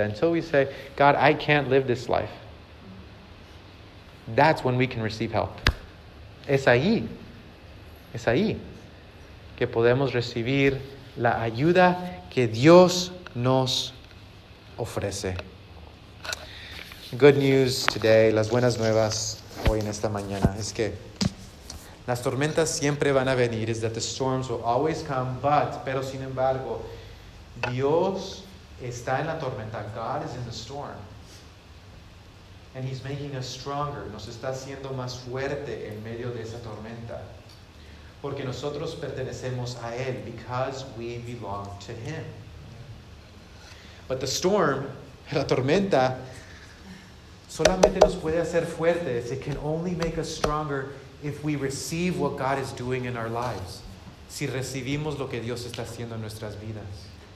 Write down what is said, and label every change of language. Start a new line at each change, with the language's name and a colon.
English: Until we say, God, I can't live this life. That's when we can receive help.
Spanish: Es ahí que podemos recibir la ayuda que Dios nos ofrece. Good news today, las buenas nuevas hoy en esta mañana, es que las tormentas siempre van a venir,
English: is that the storms will always come,
Spanish: pero sin embargo, Dios está en la tormenta.
English: God is in the storm. And He's making us stronger.
Spanish: Nos está haciendo más fuerte en medio de esa tormenta. Porque nosotros pertenecemos a Él.
English: Because we belong to Him. But the storm,
Spanish: la tormenta,
English: solamente nos puede hacer fuertes. It can only make us stronger if we receive what God is doing in our lives.
Spanish: Si recibimos lo que Dios está haciendo en nuestras vidas.